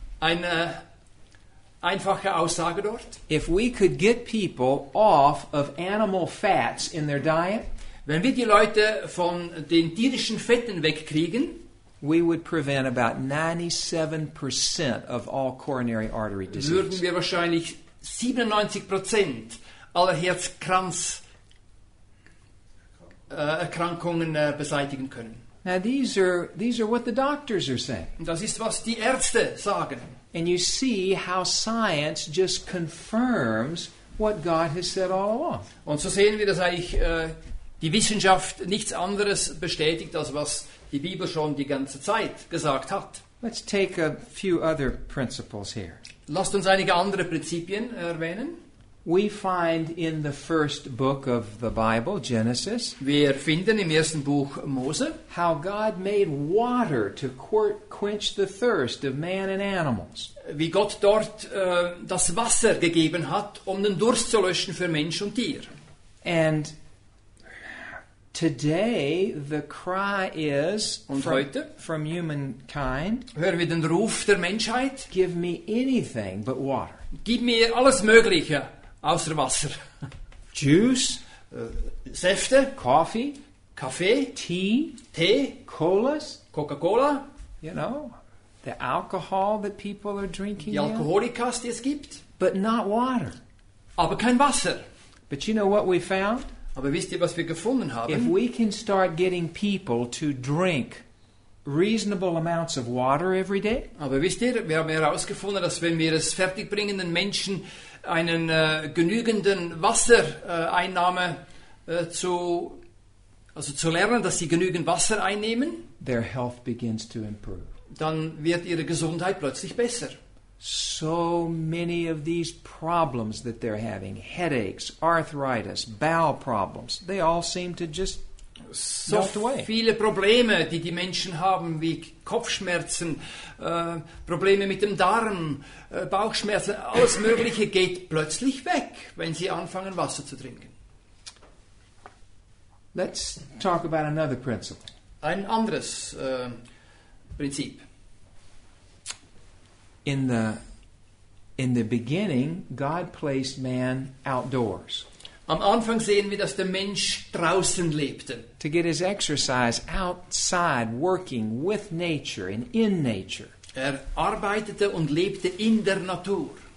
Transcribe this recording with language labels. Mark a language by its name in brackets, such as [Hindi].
[German] Eine einfache Aussage dort. [English] If we could get people off of animal fats in their diet, [German] wenn wir die Leute von den tierischen Fetten wegkriegen, [English] we would prevent about 97% of all coronary artery disease. [German] Würden wir wahrscheinlich 97% aller Herzkranzerkrankungen beseitigen können. [English] Now these are what the doctors are saying. [German] Das ist, was die Ärzte sagen. [English] And you see how science just confirms what God has said all along. [German] Und so sehen wir, dass eigentlich die Wissenschaft nichts anderes bestätigt, als was die Bibel schon die ganze Zeit gesagt hat. [English] Let's take a few other principles here. [German] Lasst uns einige andere Prinzipien erwähnen. [English] We find in the first book of the Bible, Genesis, [German] wir finden im ersten Buch Mose, [English] how God made water to quench the thirst of man and animals. [German] Wie Gott dort das Wasser gegeben hat, um den Durst zu löschen für Mensch und Tier. [English] And today the cry is from humankind, [German] hören wir den Ruf der Menschheit, [English] give me anything but water. [German] Gib mir alles Mögliche. Außer Wasser. [English] Juice. [German] Säfte. [English] Coffee. [German] Kaffee, Tee, Tee, [English] Colas, [German] Coca-Cola, [English] you know, the alcohol that people are drinking. [German] Die Alkoholikas, die es gibt. [English] But not water. [German] Aber kein Wasser. [English] But you know what we found? [German] Aber wisst ihr, was wir gefunden haben? [English] If we can start getting people to drink reasonable amounts of water every day. [German] Aber wisst ihr, wir haben herausgefunden, dass wenn wir es fertigbringen, den Menschen einen genügenden Wassereinnahme zu also zu lernen, dass sie genügend Wasser einnehmen, [English] their health begins to improve. [German] Dann wird ihre Gesundheit plötzlich besser. [English] So many of these problems that they're having, headaches, arthritis, bowel problems, they all seem to just [German] so viele Probleme, die die Menschen haben, wie Kopfschmerzen, Probleme mit dem Darm, Bauchschmerzen, alles Mögliche geht plötzlich weg, wenn sie anfangen, Wasser zu trinken. [English] Let's talk about another principle. [German] Ein anderes Prinzip. [English] In the beginning, God placed man outdoors. [German] Am Anfang sehen wir, dass der Mensch draußen lebte. [English] To get his exercise outside, working with nature and in nature. [German] Er arbeitete und lebte in der Natur.